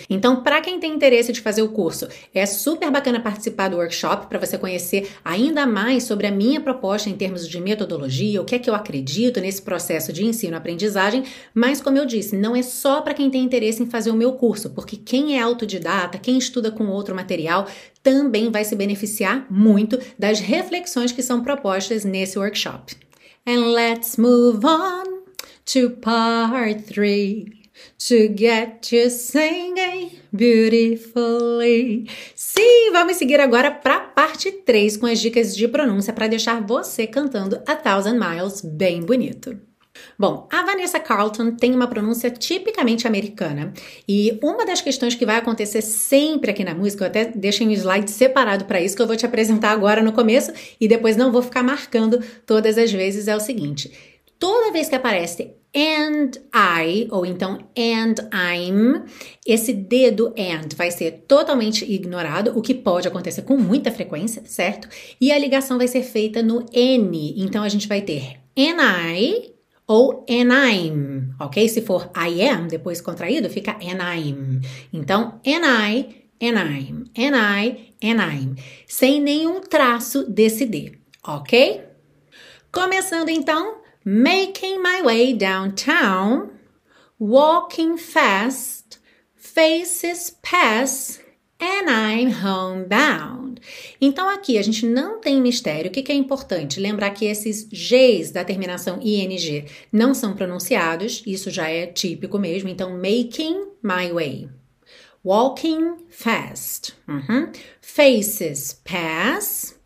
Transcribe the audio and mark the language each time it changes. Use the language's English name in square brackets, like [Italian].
[Portuguese] Então, para quem tem interesse de fazer o curso, é super bacana participar do workshop para você conhecer ainda mais sobre a minha proposta em termos de metodologia, o que é que eu acredito nesse processo de ensino-aprendizagem. Mas, como eu disse, não é só para quem tem interesse em fazer o meu curso, porque quem é autodidata, quem estuda com outro material, também vai se beneficiar muito das reflexões que são propostas nesse workshop. [English] And let's move on to part 3, to get you singing beautifully. [Portuguese] Sim, vamos seguir agora para parte 3 com as dicas de pronúncia para deixar você cantando A Thousand Miles bem bonito. Bom, a Vanessa Carlton tem uma pronúncia tipicamente americana e uma das questões que vai acontecer sempre aqui na música, eu até deixei um slide separado para isso que eu vou te apresentar agora no começo e depois não vou ficar marcando todas as vezes, é o seguinte: toda vez que aparece and I, ou então and I'm, esse dedo and vai ser totalmente ignorado, o que pode acontecer com muita frequência, certo? E a ligação vai ser feita no N, então a gente vai ter and I. Ou and I'm, ok? Se for I am, depois contraído, fica and I'm. Então, and I, and I'm, and I, and I'm. Sem nenhum traço desse D, ok? Começando então, [English] Making my way downtown, walking fast, faces pass, and I'm homebound. [Portuguese] Então, aqui a gente não tem mistério. O que é importante? Lembrar que esses Gs da terminação ing não são pronunciados. Isso já é típico mesmo. Então, [English] making my way. Walking fast. Faces pass.